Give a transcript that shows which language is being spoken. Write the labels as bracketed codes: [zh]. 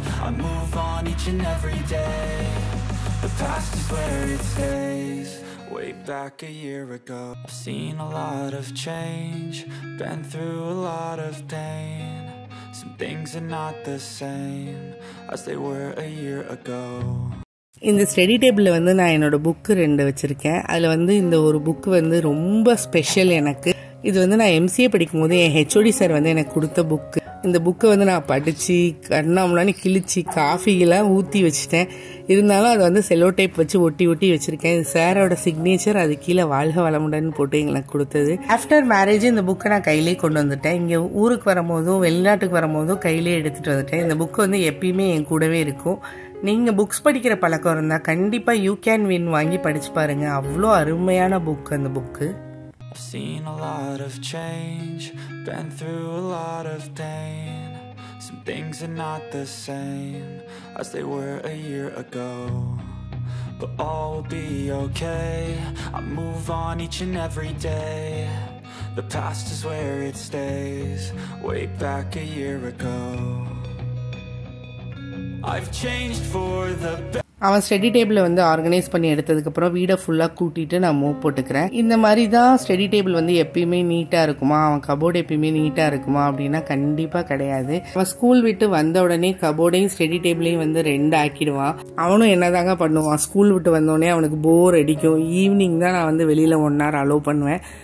[en] I move on each and every day. The past is where it stays, way back a year ago. I've seen a lot of change, been through a lot of pain. Some things are not the same as they were a year ago. [ta] இந்த study டேபிளில் வந்து நான் என்னோட book ரெண்டு வச்சுருக்கேன். அதில் வந்து இந்த ஒரு புக்கு வந்து ரொம்ப ஸ்பெஷல் எனக்கு. இது வந்து நான் எம்சிஏ படிக்கும்போது என் ஹெச்ஓடி சார் வந்து எனக்கு கொடுத்த புக்கு. இந்த புக்கை வந்து நான் படித்து கண்ணாமலான்னு கிழித்து காஃபிலாம் ஊற்றி வச்சுட்டேன். இருந்தாலும் அதை வந்து செல்லோ டைப் வச்சு ஒட்டி ஒட்டி வச்சுருக்கேன். சாரோட சிக்னேச்சர் அது கீழே வாழ்க வளமுடன்னு போட்டு எங்களுக்கு கொடுத்தது. ஆஃப்டர் மேரேஜ் இந்த புக்கை நான் கையிலே கொண்டு வந்துட்டேன். இங்கே ஊருக்கு வரும்போதும் வெளிநாட்டுக்கு வரும்போதும் கையிலே எடுத்துகிட்டு வந்துட்டேன். இந்த புக்கு வந்து எப்பயுமே என் கூடவே இருக்கும். நீங்கள் புக்ஸ் படிக்கிற பழக்கம் இருந்தால் கண்டிப்பாக யூ கேன் வின் வாங்கி படிச்சு பாருங்க. அவ்வளோ அருமையான புக் அந்த book. [en] I've seen a lot of change, been through a lot of pain. Some things are not the same as they were a year ago, but all will be okay. I move on each and every day. The past is where it stays, way back a year ago. I've changed for the better. [ta] அவன் study டேபிளை வந்து organise பண்ணி எடுத்ததுக்கப்புறம் வீடை ஃபுல்லாக கூட்டிகிட்டு நான் move போட்டுக்கிறேன். இந்த மாதிரி தான் ஸ்டடி டேபிள் வந்து எப்பயுமே நீட்டாக இருக்குமா, அவன் கபோர்டு எப்பயுமே நீட்டாக இருக்குமா அப்படின்னா கண்டிப்பாக கிடையாது. அவன் ஸ்கூல் விட்டு வந்த உடனே கபோர்டையும் ஸ்டடி டேபிளையும் வந்து ரெண்டு ஆக்கிடுவான். அவனும் என்ன தாங்க பண்ணுவான், ஸ்கூல் விட்டு வந்தோடனே அவனுக்கு போர் அடிக்கும். ஈவினிங் தான் நான் வந்து வெளியில் ஒன் ஹவர் அலோவ் பண்ணுவேன்.